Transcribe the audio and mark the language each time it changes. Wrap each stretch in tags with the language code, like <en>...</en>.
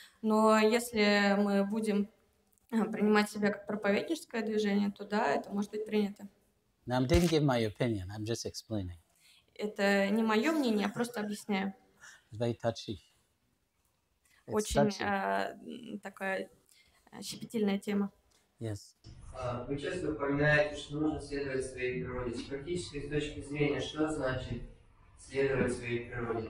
<ru>Но если мы будем принимать себя как проповедническое движение, то да, это может быть принято.</ru> <en>Now, I didn't give my opinion, I'm just explaining.</en> <ru>Это не мое мнение, я просто объясняю.</ru> <en>It's very touchy.</en> <ru>Очень такая щепетильная тема.</ru> <en>Yes.</en> <ru>Вы часто упоминаете, что нужно следовать своей природе. С практической точки зрения, что значит следовать своей природе?</ru>